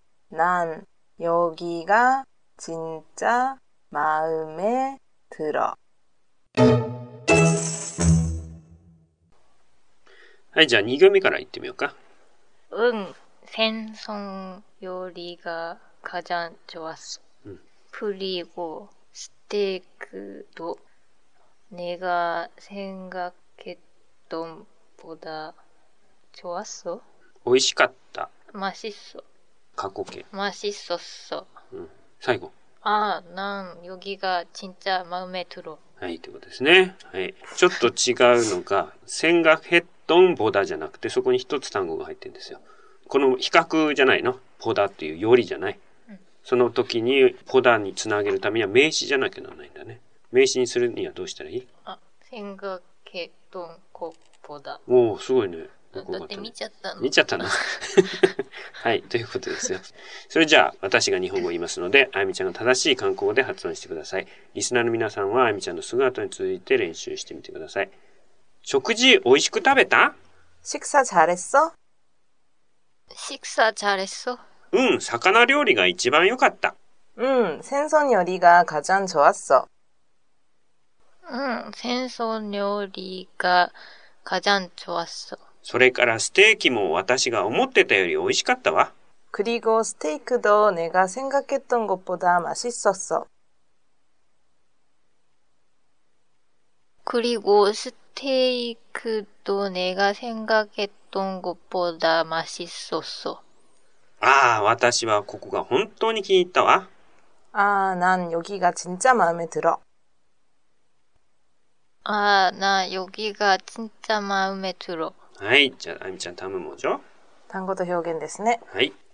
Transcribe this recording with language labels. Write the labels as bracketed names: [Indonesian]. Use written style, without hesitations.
[Korean] 그리고스테이크도내가생각했던것보다맛있었어。 아난여기가진짜마음에들어。 [Japanese] はい、じゃあ2行目から行ってみようか。 [Korean] うん、 [Japanese] 戦争よりが [Korean] 가장좋았어。 그리고스테이크도내가생각했던보다좋 [Japanese] 았어。美味しかった。 [Korean] 맛있어。 [Japanese] 過去形。 [Korean] 맛있었어。 [Japanese] うん、最後。 [Korean] 아난여기가진짜마음에들어。 [Japanese] はい、ということですね。はい、ちょっと違うのが [Korean] 생각했던보다 [Japanese] じゃなくて、そこに一つ単語が入ってるんですよ。この比較じゃないの、ポダっていうよりじゃない、うん、その時にポダにつなげるためには名詞じゃなきゃならないんだね。名詞にするにはどうしたらいい？あ、センガケトンコポダ。おお、すごいね。だって見ちゃったの。見ちゃったな。はい、ということですよ。それじゃあ私が日本語を言いますので、あやみちゃんが正しい韓国語で発音してください。リスナーの皆さんはあやみちゃんの姿に続いて練習してみてください。食事おいしく食べた？ [Korean] 식사잘했어。 식사잘했어。 [Japanese] うん、魚料理が一番良かった。 [Korean] うん、생선요리가가장좋았어。うん、생선요리가가장좋았어。 [Japanese] それからステーキも私が思ってたより美味しかったわ。 [Korean] 그리고스테이크도내가생각했던것보다맛있었어。 그리고스테이크도내가생각했던것보다맛있었어。 [Japanese] ああ、私はここが本当に気に入ったわ。 [Korean] ああ、난여기가진짜마음에들어。ああ、난여기가진짜마음에들어。 [Japanese] はい、じゃあ、あゆみちゃん、単語もじゃ。単語と表現ですね。はい。